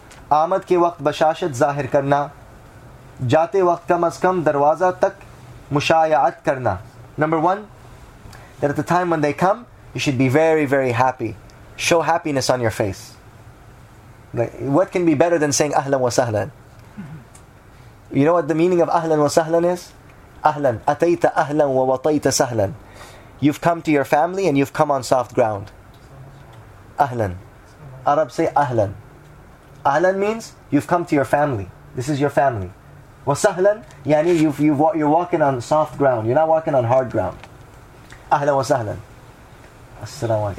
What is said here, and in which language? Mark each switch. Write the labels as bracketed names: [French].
[Urdu] آمد کے وقت بشاشت ظاہر کرنا جاتے وقت کم از کم دروازہ تک مشایعت کرنا. [English] Number one, that at the time when they come, you should be very, very happy. Show happiness on your face. Like, what can be better than saying [Arabic] أهلا وسهلا? [English] You know what the meaning of [Arabic] أهلا وسهلا [English] is? [Arabic] أهلا أتيت أهلا ووطيت سهلا. [English] You've come to your family and you've come on soft ground. [Arabic] أهلا. [English] Arab say أهلا. Ahlan means you've come to your family. This is your family. Wasahlan, yani you're walking on soft ground. You're not walking on hard ground. Ahlan wasahlan. Assalamu alaikum.